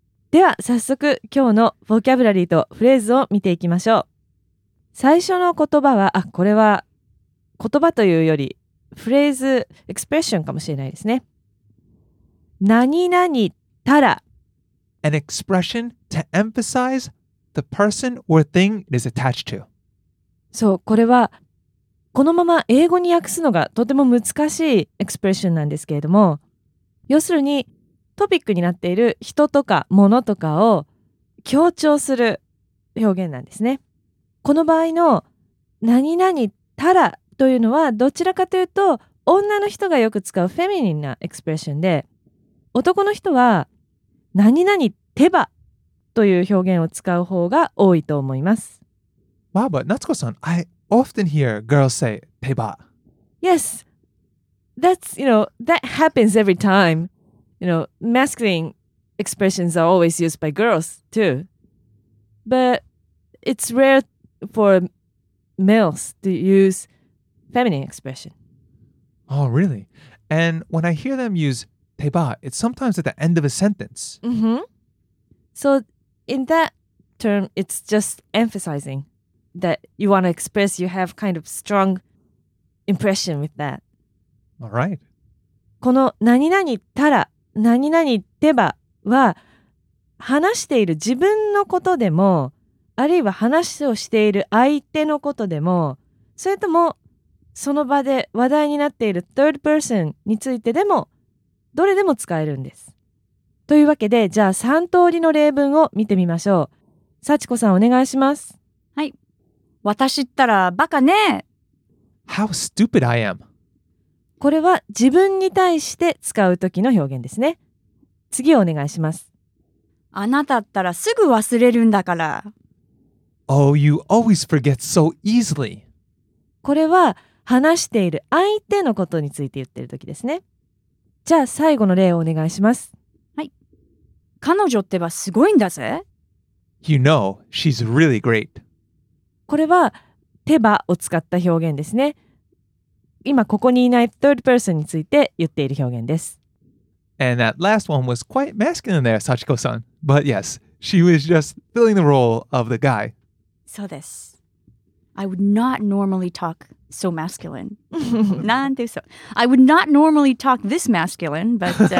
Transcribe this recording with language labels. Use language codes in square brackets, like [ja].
[ja] では早速今日のボキャブラリーとフレーズを見ていきましょう。最初の言葉は、あ、これは言葉というよりフレーズ、エクスプレッションかもしれないですね。何々ったら。 [en] An expression to emphasize the person or thing it is attached to. [ja] そう、これはこのまま英語に訳すのがとても難しいエクスプレッションなんですけれども、要するにトピックになっている人とか物とかを強調する表現なんですね。この場合の何々ったらというのはどちらかというと女の人がよく使うフェミニンなエクスプレッションで、男の人は何々てばという表現を使う方が多いと思います。 [en] Wow, but Natsuko-san, I often hear girls say てば. Yes, that's, you know, that happens every time. You know, masculine expressions are always used by girls too, but it's rare for males to useFeminine expression. Oh, really? And when I hear them use teba, it's sometimes at the end of a sentence. Mm-hmm. So in that term, it's just emphasizing that you want to express you have kind of strong impression with that. All right. [ja] この何々たら、何々てばは話している自分のことでも、あるいは話をしている相手のことでも、それともその場で話題になっている third person についてでもどれでも使えるんです。というわけで、じゃあ3通りの例文を見てみましょう。幸子さん、お願いします。はい。私ったらバカね。 [en] How stupid I am. [ja] これは自分に対して使う時の表現ですね。次をお願いします。あなたったらすぐ忘れるんだから。 [en] Oh, you always forget so easily. [ja] これは話している相手のことについて言ってる時ですね。じゃあ最後の例をお願いします。はい。彼女ってばすごいんだぜ。 [en] You know, she's really great. [ja] これはてばを使った表現ですね。今ここにいない third person について言っている表現です。 [en] And that last one was quite masculine there, Sachiko-san. But yes, she was just filling the role of the guy. [ja] そうです。 [en] I would not normally talk so masculine. [ja] なんて嘘。 [en] I would not normally talk this masculine, but...